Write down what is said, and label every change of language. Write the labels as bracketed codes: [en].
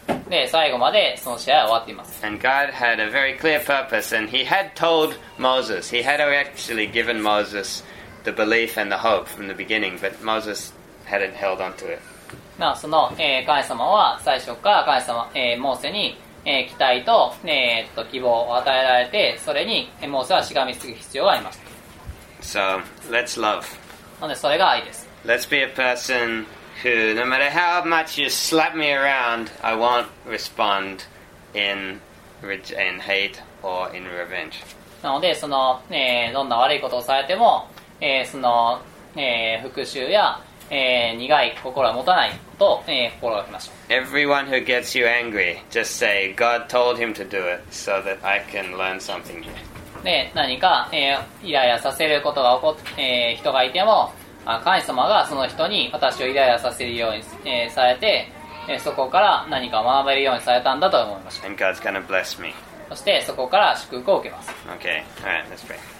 [ja] で、最後までその試合は終わっています。 [en] And God had a very clear purpose, and He had told Moses. He had actually given Moses the belief and the hope from the beginning, but Moses hadn't held onto it. [ja] まあ、その、神様は最初から神様、モーセに、期待と、希望を与えられて、それに、モーセはしがみつく必要がありました。 [en] So, let's love. [ja] なので、それが愛です。 [en] Let's be a person who, no matter how much you slap me around, I won't respond in hate or in revenge. [ja] なので、その、どんな悪いことをされても、その、復讐や、苦い心は持たないと、心がけましょう。 [en] Everyone who gets you angry, just say, God told him to do it so that I can learn something here. [ja] で、何か、イライラさせることが起こ、人がいても、神様がその人に私をイライラさせるように、されて、そこから何かを学べるようにされたんだと思いました。 [en] And God's gonna bless me. [ja] そして、そこから祝福を受けます。 [en] Okay, alright, let's pray.